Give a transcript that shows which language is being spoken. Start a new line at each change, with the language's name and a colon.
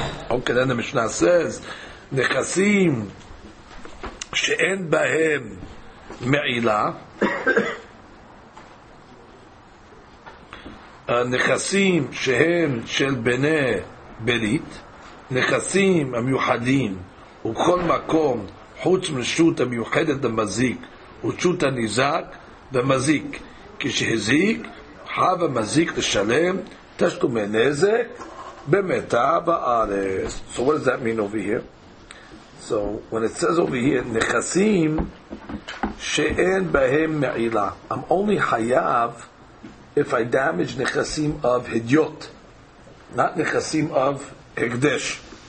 Hebrew: Okay, then the Mishnah says, nechasim she'en bahem me'ila, nechasim she'en shel b'nei berit, nechasim amyuhadim, u'kol makom, חוץ משות המיוחדת במזיק, ושות הניזק במזיק. כשהזיק, חב המזיק לשלם תשלומי נזק במתה בארץ.
English: So what does that mean over here? So when it says over here,
Hebrew: נכסים שאין בהם מעילה.
English: I'm only חייב if I damage נכסים of הדיוט, not נכסים of הקדש.